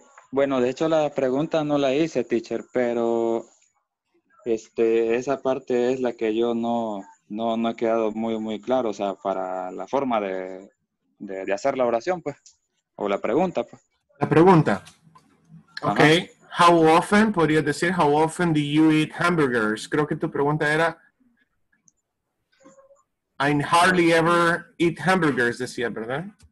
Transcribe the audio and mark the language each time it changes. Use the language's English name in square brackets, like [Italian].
[Spanish] Bueno, de hecho la pregunta no la hice, teacher, pero esa parte es la que yo no he quedado muy muy claro, o sea, para la forma de hacer la oración, pues, o la pregunta, pues. La pregunta. Ajá. Okay. [English] How often, [Spanish] podrías decir, [English] how often do you eat hamburgers? [Spanish] Creo que tu pregunta era, [English] I hardly ever eat hamburgers, [Spanish] decía, ¿verdad?